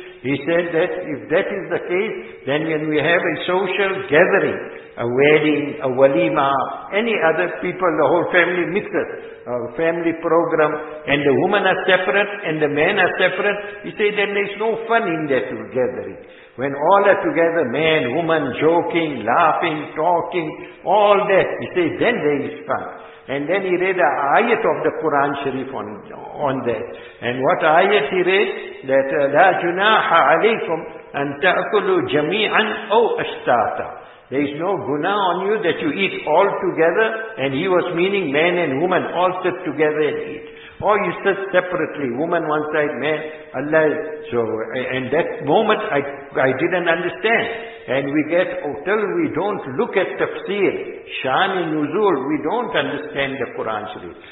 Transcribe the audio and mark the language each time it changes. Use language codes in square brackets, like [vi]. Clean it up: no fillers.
[en] He said that if that is the case, then when we have a social gathering, a wedding, a walima, any other people, the whole family mixes, a family program, and the woman are separate and the man are separate, he said then there is no fun in that gathering. When all are together, man, woman, joking, laughing, talking, all that, he said then there is fun. And then he read an ayat of the Quran Sharif on that. And what ayat he read? [ar] That, لَا جُنَاحَ عَلَيْكُمْ أَن تَأْكُلُوا جَمِيعًا أَوْ أَشْتَاتًا. [en] There is no guna on you that you eat all together. And he was meaning man and woman all sit together and eat. Or you sit separately, woman one side, man, Allah. So, and that moment I didn't understand. And we get, till we don't look at tafsir, shan-i-nuzul, we don't understand the Quran Sharif.